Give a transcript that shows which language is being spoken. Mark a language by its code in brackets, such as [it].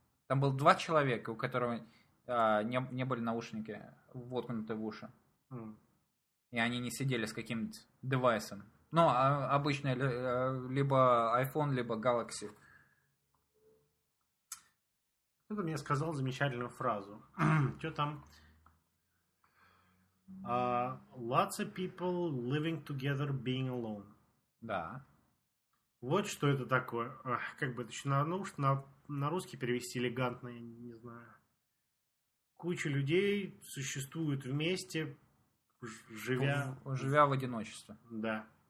[ru] Там было 2 человека, у которых не были наушники воткнуты в уши. Mm. И они не сидели с каким-то девайсом. Ну, обычно либо iPhone, либо Galaxy. Кто-то мне сказал замечательную фразу. Что там? [en] Lots of people living together being alone. [ru] Да. Вот что это такое. Как бы это еще на русский перевести элегантно, я не знаю. Куча людей существует вместе, живя в одиночестве. Да.